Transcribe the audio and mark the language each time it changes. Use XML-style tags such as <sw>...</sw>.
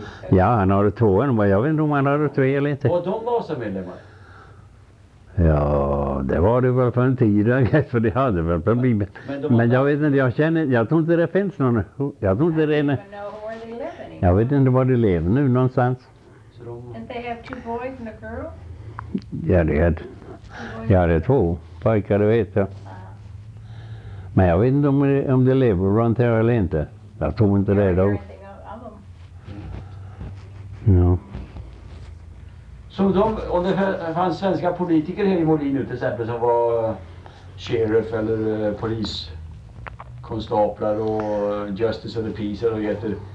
<sv>Ja, han hade två, men jag vet inte om han hade tre eller inte. Och de var som medlemmar? Ja, det var det väl på en tid, för det hade väl på en bibel. Men jag vet inte, jag tror inte det finns någon. Jag tror inte det är. Jag vet inte var de lever nu någonstans.</sv> <en>And they have two boys and a girl?</en> <sv>Ja, det är två pojkar, det vet jag. Men jag vet inte om de lever runt här eller inte. Jag tror inte det då. Ja. Så de, och det fanns svenska politiker här i Molin nu till exempel som var sheriff eller poliskonstaplar och</sv> <en>justice of the peace</en> <sv>eller vad heter.</sv>